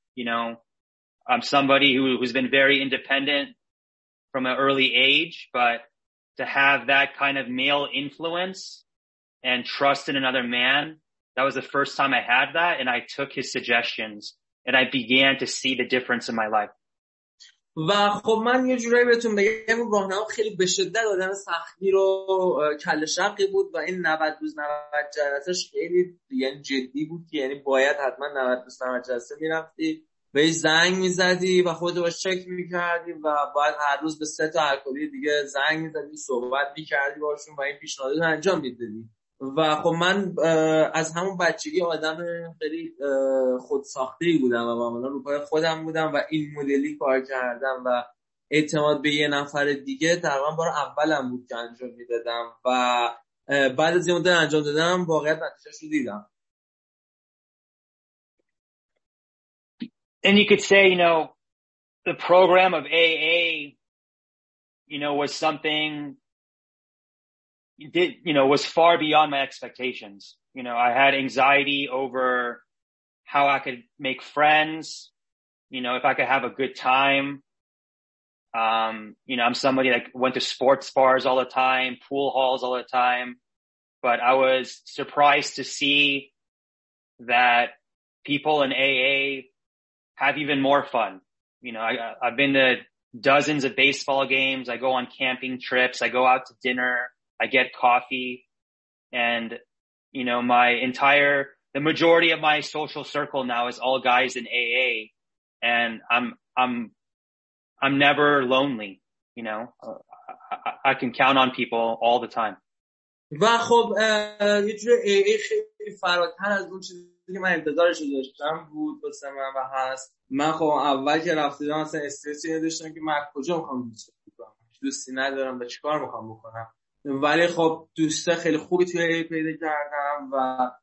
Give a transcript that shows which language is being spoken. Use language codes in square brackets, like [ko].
[en] You know, I'm somebody who's been very independent from an early age, but to have that kind of male influence and trust in another man, that was the first time I had that. And I took his suggestions and I began to see the difference in my life. [fa] و خب من یه جورایی بهتون بگم راهنما خیلی به شدت آدم سختگیر و کل شقی بود و این 90 روز 90 جلسه خیلی یعنی جدی بود، یعنی باید حتما 90 روز 90 جلسه می‌رفتی بهش زنگ می‌زدی و خودت باش چک می‌کردی و باید هر روز به سه تا الکلی دیگه زنگ می‌زدی صحبت می‌کردی باشون و این پیشنهاد رو انجام می‌دادی. و خب من از همون بچگی آدم خیلی خودساخته‌ای بودم و معمولا رو پای خودم بودم و این مدلی کار کردم و اعتماد به یه نفر دیگه تقریبا بار اولم بود که انجام میدادم و بعد از یه مدت انجام دادم واقعیت نتیجه‌اش رو دیدم. [en] And you could say, you know, the program of AA, you know, was something did, you know, was far beyond my expectations. You know, I had anxiety over how I could make friends, you know, if I could have a good time. You know, I'm somebody that went to sports bars all the time, pool halls all the time, but I was surprised to see that people in AA have even more fun. You know, I've been to dozens of baseball games. I go on camping trips. I go out to dinner. I get coffee, and, you know, the majority of my social circle now is all guys in AA, and I'm never lonely, you know, I can count on people all the time. [fa] و خب یه جور AA خیلی فراتر از اون چیزی که من انتظارش داشتم بود بسه من و هست. من خب اول که رفتیدم اصلا استرسی داشتم که من کجا میخوام دوستی ندارم و چیکار میخوام بکنم، ولی خب دوسته خیلی خوبی توی ای پیدا کردم و